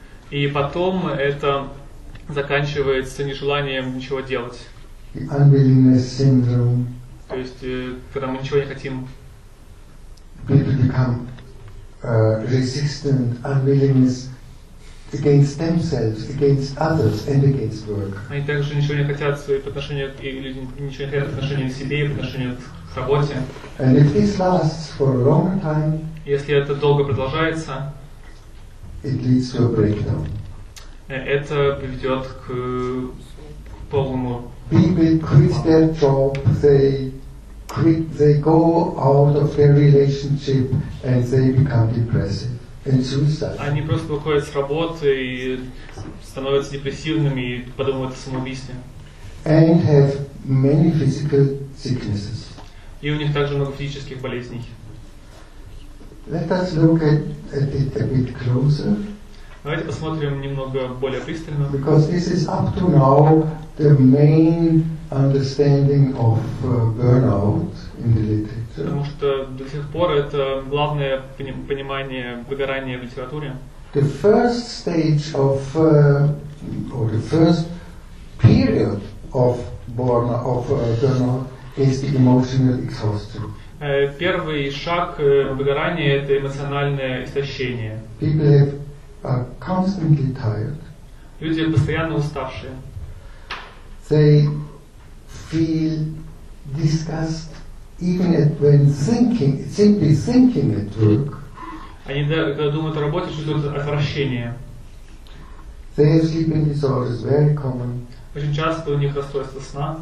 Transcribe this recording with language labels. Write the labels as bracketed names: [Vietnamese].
[Russian] И потом это заканчивается нежеланием ничего делать. [English] The unwillingness syndrome. [Russian] То есть, когда мы ничего не хотим. [English] People become resistant, unwillingness against themselves, against others, and against work. [Russian] Они также ничего не хотят свои отношения, и люди ничего не хотят отношения к себе, отношения к работе. [English] And if this lasts for a long time, [Russian] если это долго продолжается, [English] it leads to a breakdown. [Russian] Это приведет к полному. [English] People quit their job, they quit, they go out of their relationship and they become depressive and suicidal. [Russian] Они просто выходят с работы и становятся депрессивными и подумывают о самоубийстве. [English] And have many physical sicknesses. [Russian] И у них также много физических болезней. [English] Let us look at it a bit closer. [Russian] Давайте посмотрим немного более пристально. [English] Because this is up to now the main understanding of burnout in the literature. [Russian] Потому что до сих пор это главное понимание выгорания в литературе. [English] The first stage of or the first period of burnout is the emotional exhaustion. [Russian] Первый шаг выгорания это эмоциональное истощение. [English] People are constantly tired. [Russian] Люди постоянно уставшие. [English] They feel disgust even at when simply thinking at work. [Russian] Они когда думают о работе, чувствуют отвращение. [English] They have sleeping disorders, very common. [Russian] Очень часто у них расстройство сна.